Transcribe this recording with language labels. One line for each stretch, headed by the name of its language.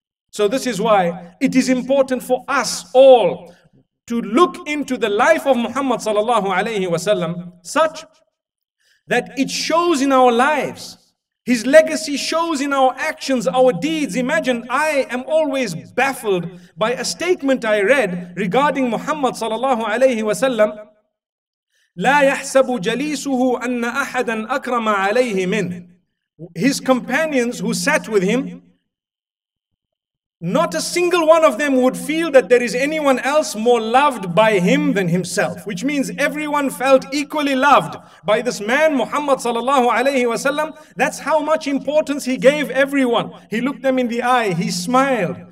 English: So this is why it is important for us all to look into the life of Muhammad sallallahu alayhi wa sallam such that it shows in our lives. His legacy shows in our actions, our deeds. Imagine, I am always baffled by a statement I read regarding Muhammad sallallahu alayhi wa sallam.
Arabic: لا يحسب جليسه أن أحدا أكرم عليه من.
English: His companions who sat with him, not a single one of them would feel that there is anyone else more loved by him than himself. Which means everyone felt equally loved by this man, Muhammad sallallahu alayhi wa sallam. That's how much importance he gave everyone. He looked them in the eye, he smiled.